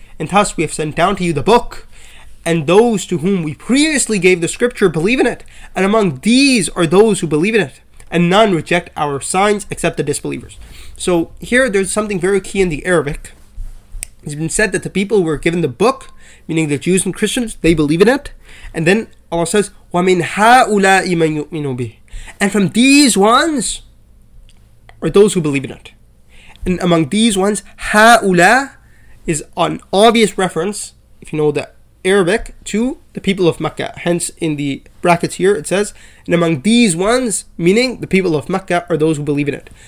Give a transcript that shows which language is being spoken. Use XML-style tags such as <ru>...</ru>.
<en>And thus we have sent down to you the book, and those to whom we previously gave the scripture believe in it, and among these are those who believe in it, and none reject our signs except the disbelievers. So here there's something very key in the Arabic. It's been said that the people who were given the book, meaning the Jews and Christians, they believe in it. And then Allah says,</en> <ar>وَمِنْ هَؤُلَاءِ مَنْ يُؤْمِنُ بِهِ.</ar> <en>And from these ones are those who believe in it. And among these ones, هَؤُلَاء is an obvious reference, if you know the Arabic, to the people of Mecca. Hence in the brackets here it says, and among these ones, meaning the people of Mecca, are those who believe in it.</en>